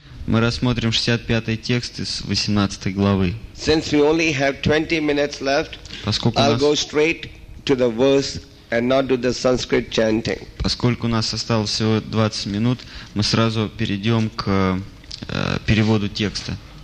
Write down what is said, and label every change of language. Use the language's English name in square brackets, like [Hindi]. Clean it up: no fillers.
[Russian] Мы рассмотрим 65-й текст из 18-й главы. [English] Since we only have 20 minutes left, I'll go straight to the verse and not do the Sanskrit chanting. [Russian] Поскольку у нас осталось всего 20 минут, мы сразу перейдем к переводу текста.